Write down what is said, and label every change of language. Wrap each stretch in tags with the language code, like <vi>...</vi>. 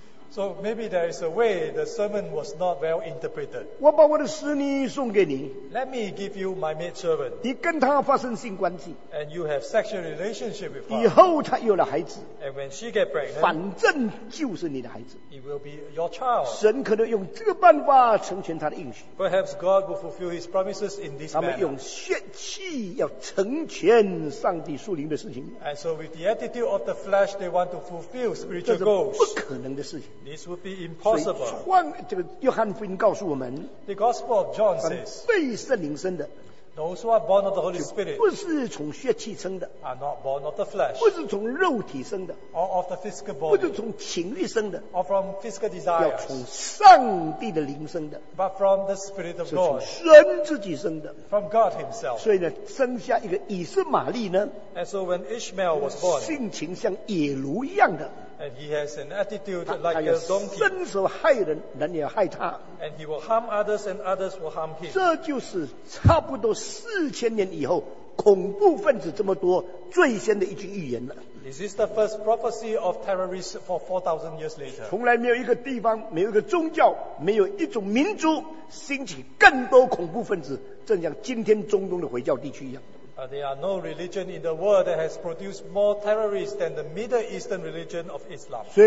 <en>So maybe there is a way the sermon was not well interpreted.</en> <zh>我把我的使女送给你,</zh> <en>Let me give you my maidservant.</en> <zh>你跟她发生性关系,</zh> <en>and you have sexual relationship with her.</en> <zh>以后她有了孩子,</zh> <en>and when she gets pregnant,</en> <zh>反正就是你的孩子,</zh> <en>it will be your child.</en> <zh>神可能用这个办法成全她的应许。</zh> <en>Perhaps God will fulfill his promises in this manner.</en> <zh>他们用血气要成全上帝属灵的事情。</zh> <en>And so with the attitude of the flesh, they want to fulfill spiritual goals.</en> <zh>这是不可能的事情。</zh> <en>This would be impossible.</en> <zh>所以这个约翰福音告诉我们,</zh> <en>The Gospel of John says,</en> <zh>被圣灵生的,</zh> <en>Those who are born of the Holy Spirit</en> <zh>不是从血气生的,</zh> <en>are not born of the flesh,</en> <zh>不是从肉体生的,</zh> <en>or of the physical body,</en> <zh>不是从情欲生的,</zh> <en>or from physical desires,</en> <zh>要从上帝的灵生的,</zh> <en>but from the Spirit of God,</en> <zh>是从神自己生的,</zh> <en>from God Himself.</en> <zh>所以呢，生下一个以实玛利呢,</zh> <en>And so when Ishmael was born,</en> <zh>性情像野驴一样的,</zh> <en>And he has an attitude like a donkey.</en> <zh>伸手害人, 人也害他。</zh> <en>And he will harm others and others will harm him.</en> <zh>这就是差不多4000年以后, 恐怖分子这么多, 最先的一句预言了。</zh> <en>This is the first prophecy of terrorists for 4,000 years later.</en> <zh>从来没有一个地方, 没有一个宗教, 没有一种民族, 兴起更多恐怖分子, 正像今天中东的回教地区一样。</zh> <en>There are no religion in the world that has produced more terrorists than the Middle Eastern religion of Islam.</en>